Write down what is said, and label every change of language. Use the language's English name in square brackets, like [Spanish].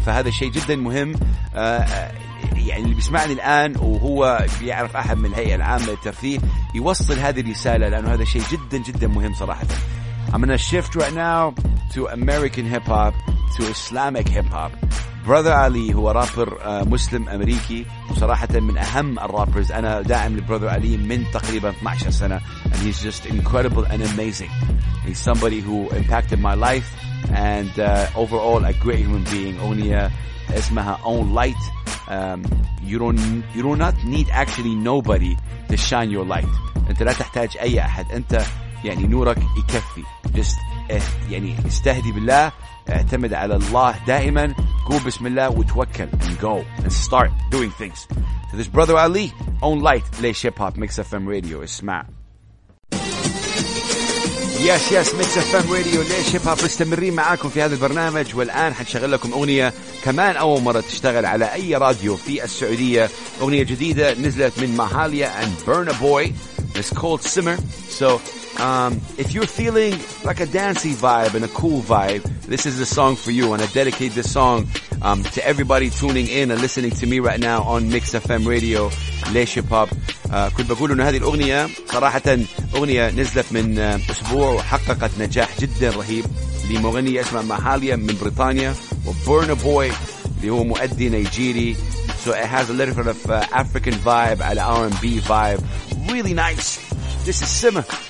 [Arabic] فهذا شيء جدا مهم. يعني اللي بيسمعني الآن وهو بيعرف أحد من الهيئة العامة للترفيه يوصل هذه الرسالة, لأنه هذا شيء جدا جدا مهم صراحة. [English] I'm going to shift right now to American hip hop, to Islamic hip hop. [Arabic] Brother Ali هو رابر مسلم أمريكي وصراحة من أهم الرابرز أنا داعم لبرذر علي من تقريبا 12 سنة [English] and he's just incredible and amazing. He's somebody who impacted my life and overall a great human being. [Arabic] أغنية اسمها Own Light. [English] You do not need actually nobody to shine your light. [Arabic] أنت لا تحتاج أي أحد. أنت يعني نورك يكفي. [English] Just [Arabic] يعني استهدي بالله اعتمد على الله دائما قول بسم الله وتوكل [English] and go and start doing things. So this brother Ali, Own Light, Laish Hip Hop, Mix FM Radio, [Arabic] اسمع. Yes, yes, Mix FM Radio, Laish Hip Hop, مستمرين معاكم في هذا البرنامج والآن حنشغل لكم أغنية كمان أول مرة تشتغل على أي راديو في السعودية. أغنية جديدة نزلت من ماهاليا and Burna Boy. [English] It's called Simmer. So if you're feeling like a dancey vibe and a cool vibe, this is the song for you. And I dedicate this song to everybody tuning in and listening to me right now on Mix FM Radio, Laish Hip Hop. [Arabic] كنت بقول إن هذه الأغنية صراحة أغنية نزلت من أسبوع وحققت نجاح جدا رهيب لمغنية اسمها ماهاليا من بريطانيا وBurna Boy اللي هو مؤدي نيجيري. [English] So it has a little bit of African vibe and R&B vibe. Really nice. This is Simmer.